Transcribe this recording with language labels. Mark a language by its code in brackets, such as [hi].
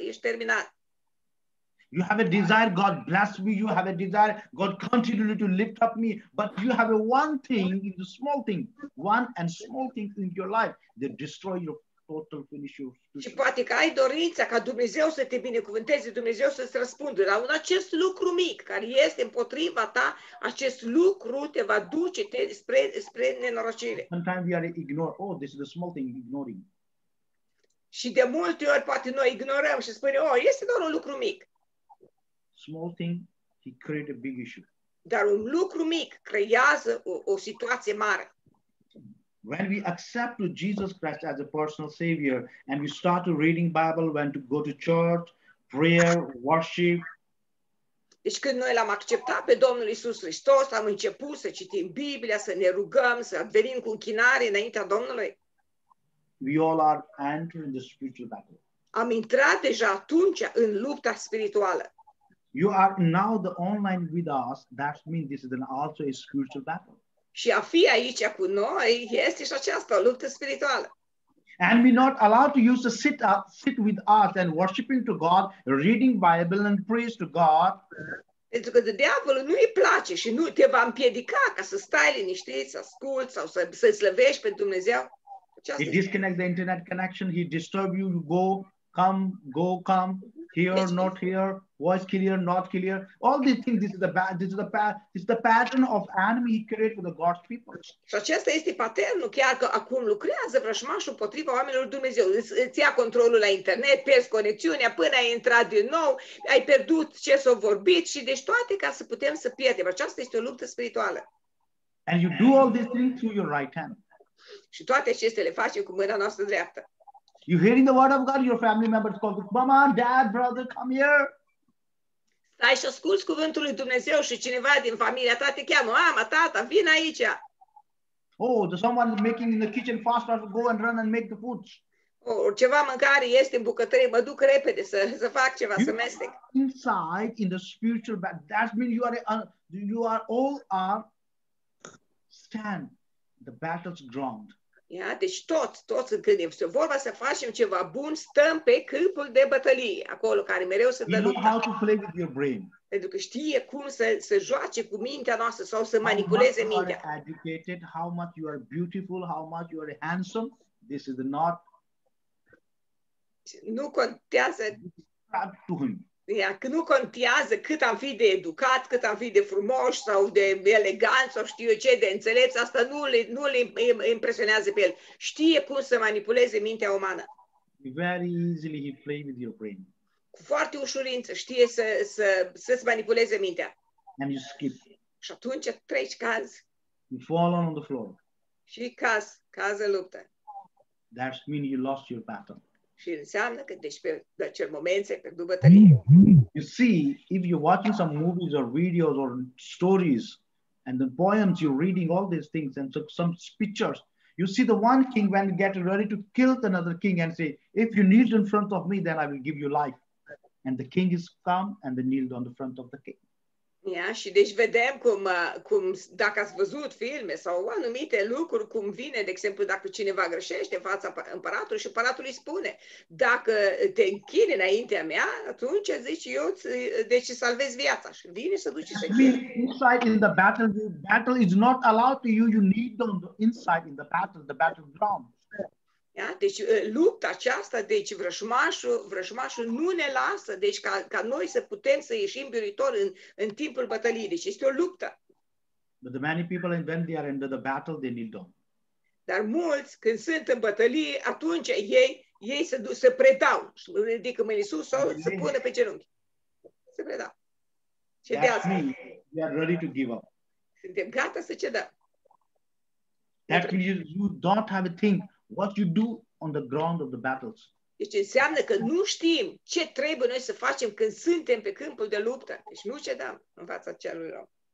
[ro] Ești terminat. [en] You have a desire, God bless me. You have a desire, God continue to lift up me. But you have a one thing, the small thing, one and small thing in your life, they destroy your total finish your spiritual. [ro] Și poate că ai dorința ca Dumnezeu să te binecuvânteze, Dumnezeu să-ți răspundă, dar un acest lucru mic care este împotriva ta, acest lucru te va duce spre nenorocire. [en] Sometimes we are ignore, oh, this is a small thing, ignoring. [ro] Și de multe ori poate noi ignorăm și spunem, oh, este doar un lucru mic. [en] Small thing, he created a big issue. [ro] Dar un lucru mic creează o situație mare. [en] When we accept Jesus Christ as a personal savior and we start to reading Bible, when to go to church, prayer, worship. [ro] Deci când noi l-am acceptat pe Domnul Iisus Hristos, am început să citim Biblia, să ne rugăm, să venim cu închinare înaintea Domnului. [en] We all are entering the spiritual battle. [ro] Am intrat deja atunci în lupta spirituală. [en] You are now the online with us, that means this is an also a spiritual battle. [ro] Și a fi aici cu noi este și aceasta o luptă spirituală. [en] And we not allowed to use to sit up, sit with us and worshiping to God, reading Bible and praise to God. [ro] Pentru că diavolul nu-i place și nu te va împiedica ca să stai liniștit, să asculți sau să slăvești pe Dumnezeu. [en] He disconnect the internet connection, he disturb you, you go, come, go, come. Here, not here, voice clear, not clear. All these things, this is the pattern of enemy he created for the God's people. [ro] Și acesta este patternul, chiar că acum lucrează vrăjmașul împotriva oamenilor Dumnezeu. Îți ia controlul la internet, pierzi conexiunea, până ai intrat din nou, ai pierdut ce s-a vorbit și deci toate ca să putem să pierdem. Aceasta este o luptă spirituală. [en] And you do all these things through your right hand. [ro] Și toate acestea le facem cu mâna noastră dreaptă. [en] You hearing the word of God, your family members call, mama, dad, brother, come here. [ro] Stai și asculți cuvântul lui Dumnezeu și cineva din familia ta te cheamă, mama, tata, vin aici. [en] Oh, there's someone making in the kitchen fast, go and run and make the food. [ro] Oh, ceva mâncare este în bucătărie, mă duc repede să fac ceva, [en] you [ro] să mestec. [en] Inside, in the spiritual back, that means you are all stand the battle's ground. [ro] Ia, deci toți când este vorba să facem ceva bun, stăm pe câmpul de bătălie, acolo care mereu se dă lupta. Pentru că știe cum să joace cu mintea noastră sau să manipuleze mintea. [en] How much you are educated, how much you are beautiful, how much you are handsome, this is not... [ro] Nu contează... [en] To him. [ro] Ia, că nu contează cât am fi de educat, cât am fi de frumos sau de elegant sau știu eu ce, de înțelept, asta nu le impresionează pe el. Știe cum să manipuleze mintea umană. [en] Very easily he play with your brain. [ro] Cu foarte ușurință știe să-ți manipuleze mintea. [en] And you skip. [ro] Și atunci treci caz. [en] You fall on the floor. [ro] Și caz în luptă. [en] That means you lost your battle. [ro] Și înseamnă că deci pe acel moment ți-ai pierdut bătălia. [en] You see, if you're watching some movies or videos or stories and the poems, you're reading all these things and some pictures, you see the one king when he gets ready to kill another king and say, if you kneel in front of me, then I will give you life. And the king is come and they kneeled on the front of the king. [ro] Yeah, și deci vedem cum dacă ați văzut filme sau anumite lucruri, cum vine, de exemplu, dacă cineva greșește în fața împăratului și împăratul îi spune, dacă te închini înaintea mea, atunci zici eu, deci salvezi viața. Și vine să duci să închini. [en] Inside in the battle, the battle is not allowed to you, you need them inside in the battle ground. [ro] Ia, deci lupta aceasta, deci vrăjmașul nu ne lasă, deci ca noi să putem să ieșim biruitor în timpul bătăliei. Deci este o luptă. [en] But the many people and when they are under the battle, they kneel down. [ro] Dar mulți când sunt în bătălie, atunci ei se predau, se ridică mâinile sus sau se pună pe genunchi. Se predau. Cedează. [en] We are ready to give up. [ro] Suntem gata să cedăm. [en] That means you don't have a thing. What you do on the ground of the battles. [ro] Deci înseamnă că nu știm ce trebuie noi să facem când suntem pe câmpul de luptă. Deci nu cedăm în fața celui rău.